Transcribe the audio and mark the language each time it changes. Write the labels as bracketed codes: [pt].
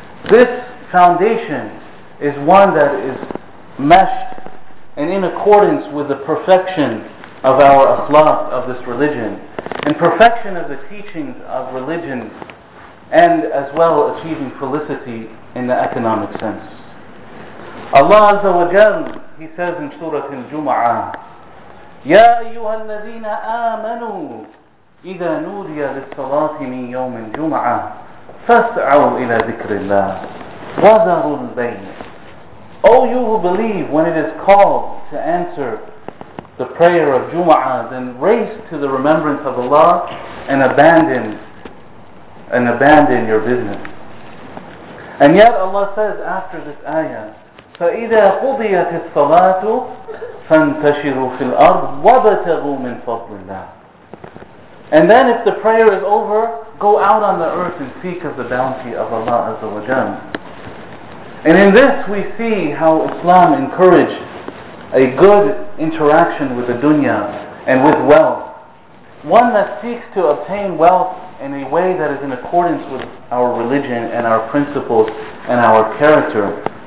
[en] This foundation is one that is meshed and in accordance with the perfection of our akhlaq, of this religion, and perfection of the teachings of religion, and as well achieving felicity in the economic sense. Allah Azza wa Jal, He says in Surah Al-Jum'ah, [ar] يَا أَيُّهَا الَّذِينَ آمَنُوا إِذَا نُودِيَ لِلصَّلَاةِ مِنْ يَوْمِ الْجُمْعَةِ فَاسْعَوْا إِلَى ذِكْرِ اللَّهِ وَذَرُوا الْبَيْنَ. [en] O you who believe, when it is called to answer the prayer of Jum'ah, then race to the remembrance of Allah and abandon your business. And yet Allah says after this ayah, [ar] فَإِذَا قُضِيَتِ الصَّلَاةُ فَانْتَشِرُوا فِي الْأَرْضِ وَبَتَغُوا مِنْ فَضْلِ اللَّهِ. [en] And then if the prayer is over, go out on the earth and seek of the bounty of Allah Azza wa Jal. And in this we see how Islam encouraged a good interaction with the dunya and with wealth. One that seeks to obtain wealth in a way that is in accordance with our religion and our principles and our character.